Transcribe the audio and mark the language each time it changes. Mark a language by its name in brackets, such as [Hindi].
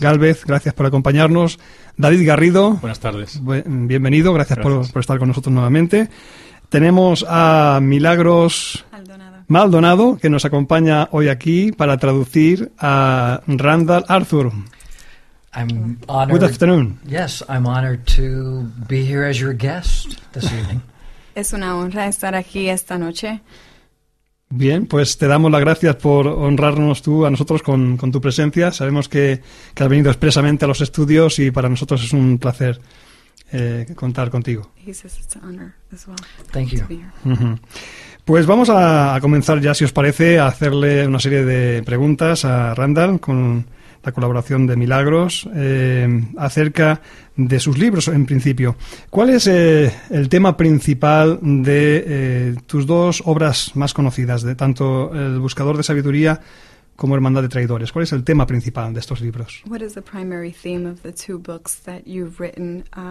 [Spanish] Gálvez, gracias por acompañarnos. David Garrido. Buenas tardes. Bienvenido, gracias por estar con nosotros nuevamente. Tenemos a Milagros Maldonado. Maldonado, que nos acompaña hoy aquí para traducir a Randall Arthur. [English] I'm honored. Good afternoon. Yes, I'm honored to be here as your guest this evening. [Spanish] Es una honra estar aquí esta noche. Bien, pues te damos las gracias por honrarnos tú a nosotros con tu presencia. Sabemos que has venido expresamente a los estudios y para nosotros es un placer contar contigo. [English] He says it's an honor as well. Thank you. [Spanish] Pues vamos a comenzar ya, si os parece, a hacerle una serie de preguntas a Randall con la colaboración de Milagros acerca de sus libros en principio. ¿Cuál es el tema principal de tus dos obras más conocidas, de tanto El Buscador de Sabiduría como Hermandad de Traidores? ¿Cuál es el tema principal de estos libros? [English] What is the primary theme of the two books that you've written?